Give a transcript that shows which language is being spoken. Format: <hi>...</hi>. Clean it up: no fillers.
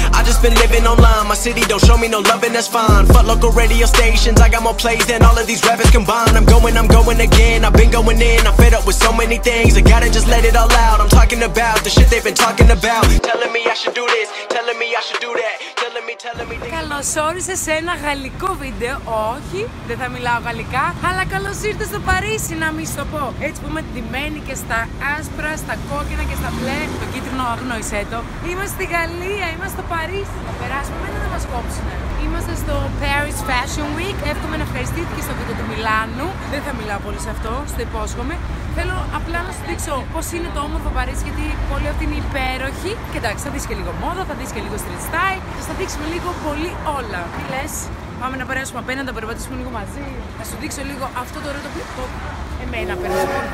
<en>I just been living online, my city don't show me no love and that's fine. Fuck local radio stations, I got more plays than all of these rappers combined. I'm going again, I've been going in, I'm fed up with so many things. I gotta just let it all out, I'm talking about the shit they've been talking about. Telling me I should do this, telling me I should do that.</en> <el>Καλώς όρισες σε ένα γαλλικό βίντεο. Όχι, δεν θα μιλάω γαλλικά. Αλλά καλώς ήρθες στο Παρίσι, να μην σου το πω. Έτσι που είμαι ντυμένη και στα άσπρα, στα κόκκινα και στα μπλε. Το κίτρινο αγνόησέ το. Είμαστε στη Γαλλία, είμαστε στο Παρίσι. Θα περάσουμε, δεν θα μας κόψουν. Είμαστε στο Paris Fashion Week. Εύχομαι να ευχαριστήθηκε στο βίντεο του Μιλάνου. Δεν θα μιλάω πολύ σε αυτό, στο υπόσχομαι. Θέλω απλά να σου δείξω πώς είναι το όμορφο Παρίσι, γιατί η πόλη αυτή είναι υπέροχη. Και εντάξει, θα δεις και λίγο μόδα, θα δεις και λίγο street style. Θα σου δείξουμε λίγο πολύ όλα. Τι λες, πάμε να περάσουμε απέναντι, να περπατήσουμε λίγο μαζί. Θα σου δείξω λίγο αυτό το ρότο που εμένα περνάω.</el>